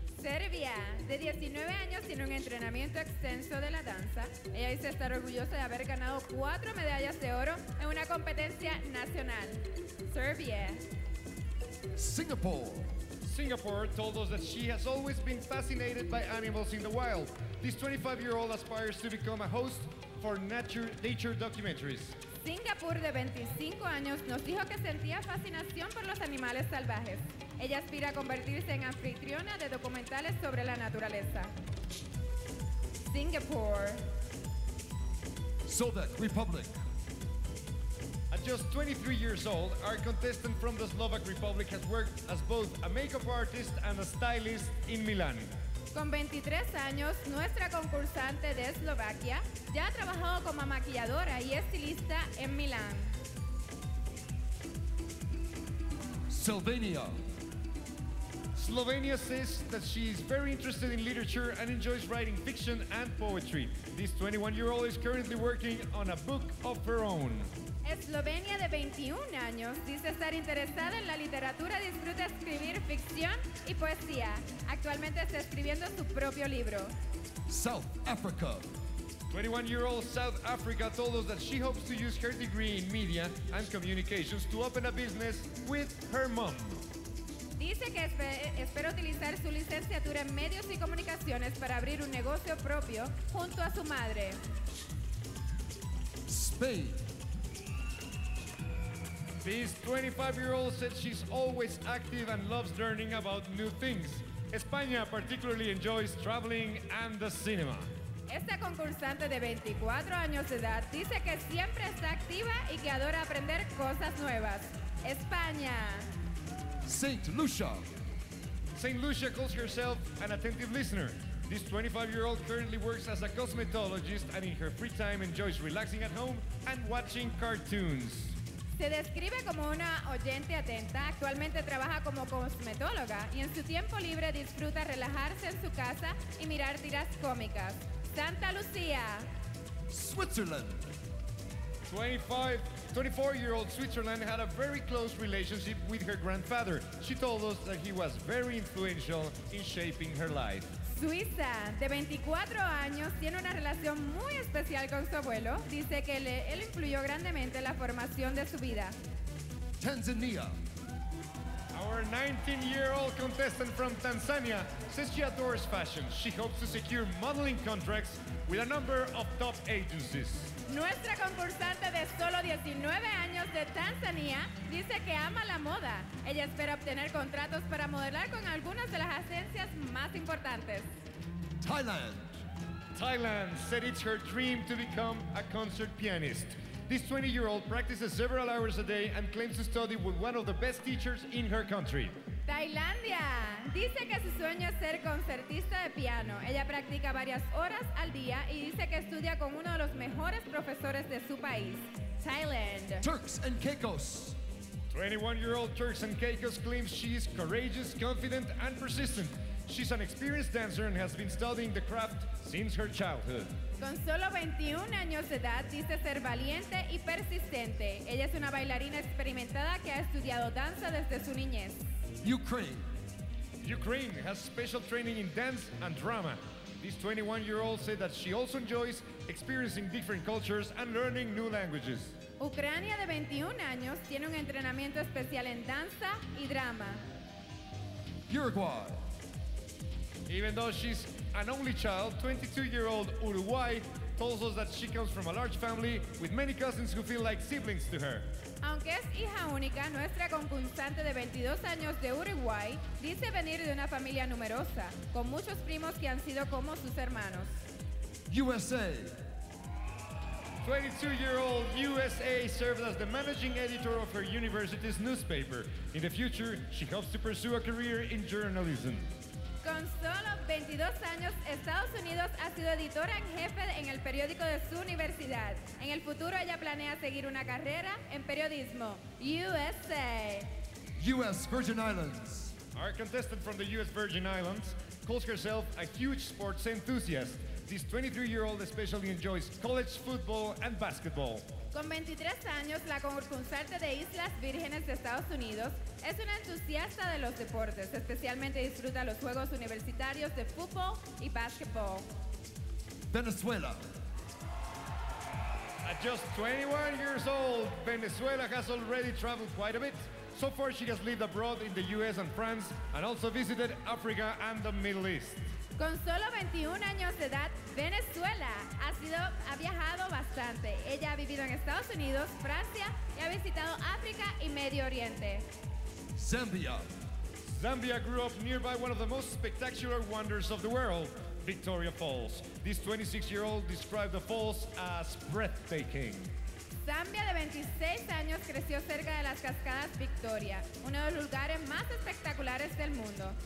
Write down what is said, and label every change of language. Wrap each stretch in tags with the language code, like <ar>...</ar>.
<es>Serbia, de 19 años, tiene un entrenamiento extenso de la danza. Ella dice estar orgullosa de haber ganado 4 medallas de oro en una competencia nacional. Serbia.</es> <en>Singapore. Singapore told us that she has always been fascinated by animals in the wild. This 25-year-old aspires to become a host for nature documentaries.</en> <es>Singapur, de 25 años, nos dijo que sentía fascinación por los animales salvajes. Ella aspira a convertirse en anfitriona de documentales sobre la naturaleza. Singapur.</es> <en>Slovak Republic. At just 23 years old, our contestant from the Slovak Republic has worked as both a makeup artist and a stylist in Milan.</en> <es>Con 23 años, nuestra concursante de Eslovaquia ya ha trabajado como maquilladora y estilista en Milán.</es> <en>Slovenia. Slovenia says that she is very interested in literature and enjoys writing fiction and poetry. This 21-year-old is currently working on a book of her own.</en> <es>Eslovenia, de 21 años, dice estar interesada en la literatura y disfruta escribir ficción y poesía. Actualmente está escribiendo su propio libro.</es> <en>South Africa. 21-year-old South Africa told us that she hopes to use her degree in media and communications to open a business with her mom.</en> <es>Dice que espera utilizar su licenciatura en medios y comunicaciones para abrir un negocio propio junto a su madre.</es> <en>Spain. This 25-year-old said she's always active and loves learning about new things. España particularly enjoys traveling and the cinema.</en> <es>Esta concursante de 24 años de edad dice que siempre está activa y que adora aprender cosas nuevas. España.</es> <en>Saint Lucia. Saint Lucia calls herself an attentive listener. This 25-year-old currently works as a cosmetologist and in her free time enjoys relaxing at home and watching cartoons.</en> <es>Se describe como una oyente atenta, actualmente trabaja como cosmetóloga y en su tiempo libre disfruta relajarse en su casa y mirar tiras cómicas. Santa Lucía.</es> <en>Switzerland. 24-year-old Switzerland had a very close relationship with her grandfather. She told us that he was very influential in shaping her life.</en> <es>Suiza, de 24 años, tiene una relación muy especial con su abuelo. Dice que él influyó grandemente en la formación de su vida.</es> <en>Tanzania. Our 19-year-old contestant from Tanzania says she adores fashion. She hopes to secure modeling contracts with a number of top agencies.</en> <es>Nuestra concursante de solo 19 años de Tanzania dice que ama la moda. Ella espera obtener contratos para modelar con algunas de las agencias más importantes.</es> <en>Thailand. Thailand said it's her dream to become a concert pianist. This 20-year-old practices several hours a day and claims to study with one of the best teachers in her country.</en> <es>Tailandia. Dice que su sueño es ser concertista de piano. Ella practica varias horas al día y dice que estudia con uno de los mejores profesores de su país.</es> <en>Thailand. Turks and Caicos. 21-year-old Turks and Caicos claims she is courageous, confident, and persistent. She's an experienced dancer and has been studying the craft since her childhood.</en> <es>Con solo 21 años de edad, dice ser valiente y persistente. Ella es una bailarina experimentada que ha estudiado danza desde su niñez.</es> <en>Ukraine. Ukraine has special training in dance and drama. This 21-year-old said that she also enjoys experiencing different cultures and learning new languages.</en> <es>Ucrania, de 21 años, tiene un entrenamiento especial en danza y drama.</es> <en>Uruguay. Even though she's an only child, 22-year-old Uruguay tells us that she comes from a large family with many cousins who feel like siblings to her.</en> <es>Aunque es hija única, nuestra concursante de 22 años de Uruguay dice venir de una familia numerosa, con muchos primos que han sido como sus hermanos.</es> <en>USA. 22-year-old USA served as the managing editor of her university's newspaper. In the future, she hopes to pursue a career in journalism.</en> <es>Con solo 22 años, Estados Unidos ha sido editora en jefe en el periódico de su universidad. En el futuro, ella planea seguir una carrera en periodismo.</es> <en>USA. U.S. Virgin Islands. Our contestant from the U.S. Virgin Islands calls herself a huge sports enthusiast. This 23-year-old especially enjoys college football and basketball.</en> <es>Con 23 años, la concursante de Islas Vírgenes de Estados Unidos es una entusiasta de los deportes, especialmente disfruta los juegos universitarios de fútbol y basketball.</es> <en>Venezuela. At just 21 years old, Venezuela has already traveled quite a bit. So far, she has lived abroad in the U.S. and France and also visited Africa and the Middle East.</en> <es>Con solo 21 años de edad, Venezuela ha viajado bastante. Ella ha vivido en Estados Unidos, Francia y ha visitado África y Medio Oriente.</es> <en>Zambia. Zambia grew up nearby one of the most spectacular wonders of the world, Victoria Falls. This 26-year-old described the falls as breathtaking.</en> <es>Zambia, de 26 años, creció cerca de las cascadas Victoria, uno de los lugares más espectaculares del mundo.</es>